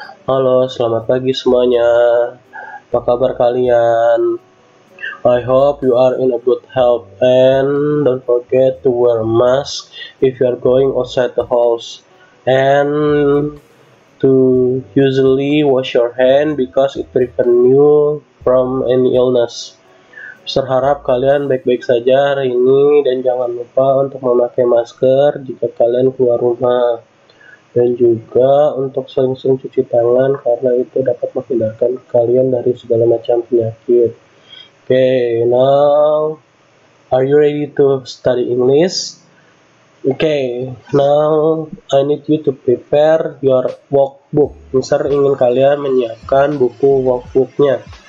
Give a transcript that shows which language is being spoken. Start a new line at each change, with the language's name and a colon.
Indonesian: Halo, selamat pagi semuanya. Apa kabar kalian?
English: I hope you are in a good health and don't forget to wear a mask if you are going outside the house and to usually wash your hand because it prevents you from any illness.
Indonesian: Berharap kalian baik-baik saja hari ini dan jangan lupa untuk memakai masker jika kalian keluar rumah. Dan juga untuk sering-sering cuci tangan karena itu dapat menghindarkan kalian dari segala macam penyakit.
English: Okay, now are you ready to study English? Okay, now I need you to prepare your workbook.
Indonesian: Mister ingin kalian menyiapkan buku workbooknya.